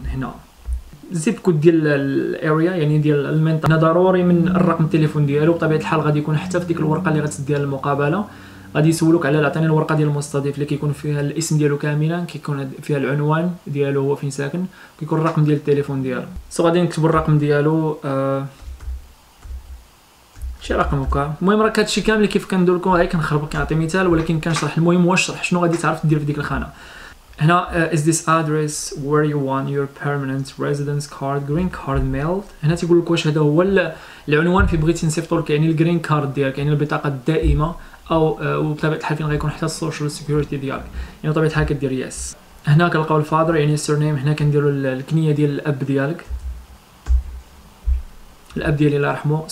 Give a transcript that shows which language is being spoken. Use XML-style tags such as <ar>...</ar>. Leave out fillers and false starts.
<ar>هنا زيب كود ديال الاريا يعني ديال المنطقه، هنا ضروري من الرقم التليفون ديالو، بطبيعه الحال غادي يكون حتى في ديك الورقه اللي غتديها للمقابله، غادي يسولوك على عطيني الورقه ديال المستضيف اللي كيكون فيها الاسم ديالو كاملا، كيكون فيها العنوان ديالو هو فين ساكن، كيكون الرقم ديال التليفون ديالو. سو غادي نكتبو الرقم ديالو، شي رقم هكا. المهم راه هادشي كامل كيف كندير لكم، غير كنخرب كنعطي مثال ولكن كنشرح. المهم هو شرح شنو غادي تعرف دير في ديك الخانه. هنا</ar> <en>is this address where you want your permanent residence card green card mailed.</en> <ar>هنا تيقول لك واش هذا هو العنوان في بغيتي نصيفطو لك يعني الجرين كارد ديالك، يعني البطاقه الدائمه، او بطبيعه الحال فين غيكون حتى السوشيال سيكيورتي ديالك، يعني بطبيعه الحال كدير يس. هنا كنلقاو الفادر يعني السير نيم، هنا كنديروا الكنيه ديال الاب ديالك، الاب ديالي الله يرحمه.</ar>